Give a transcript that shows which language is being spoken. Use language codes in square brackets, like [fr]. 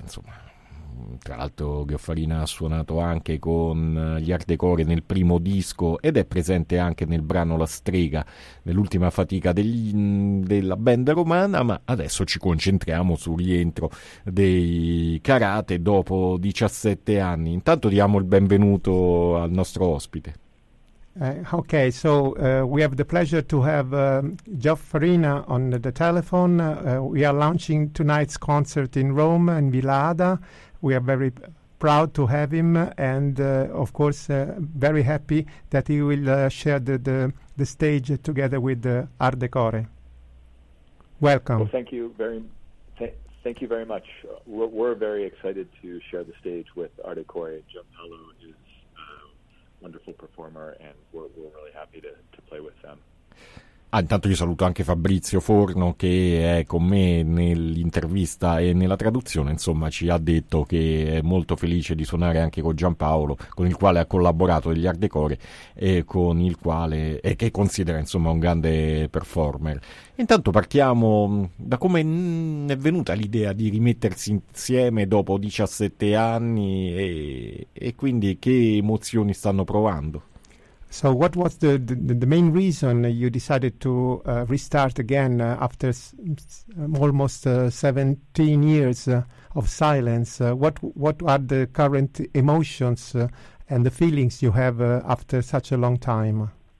[it] Insomma, tra l'altro Gio Farina ha suonato anche con gli Ardecore nel primo disco ed è presente anche nel brano La Strega, nell'ultima fatica della band romana, ma adesso ci concentriamo sul rientro dei Karate dopo 17 anni. Intanto diamo il benvenuto al nostro ospite. [en] We have the pleasure to have Gio Farina on the telephone. We are launching tonight's concert in Rome, in Villa Ada. We are very proud to have him, and of course very happy that he will share the stage together with Ardecore. Welcome. Well, thank you very much. We're very excited to share the stage with Ardecore. Giampaolo is a wonderful performer, and we're really happy to play with them. [it] Ah, intanto io saluto anche Fabrizio Forno che è con me nell'intervista e nella traduzione, insomma ci ha detto che è molto felice di suonare anche con Giampaolo, con il quale ha collaborato degli Art Decore e con il quale e che considera insomma un grande performer. Intanto partiamo da come è venuta l'idea di rimettersi insieme dopo 17 anni e quindi che emozioni stanno provando. [en] So what was the main reason you decided to restart again after almost 17 years of silence? What are the current emotions and the feelings you have after such a long time?